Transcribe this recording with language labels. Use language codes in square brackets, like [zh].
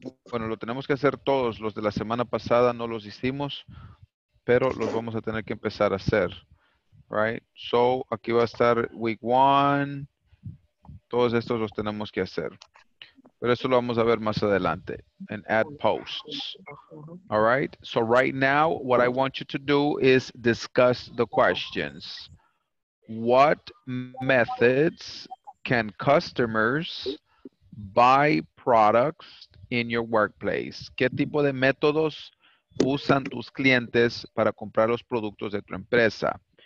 [es] Bueno, lo tenemos que hacer todos. Los de la semana pasada no los hicimos, pero los vamos a tener que empezar a hacer. Right? So, aquí va a estar [en] week one. [es] Todos estos los tenemos que hacer. Pero eso lo vamos a ver más adelante. [en] And add posts. All right? So, right now, what I want you to do is discuss the questions. What methods can customers buy products in your workplace? [es] ¿Qué tipo de métodos usan tus clientes para comprar los productos de tu empresa?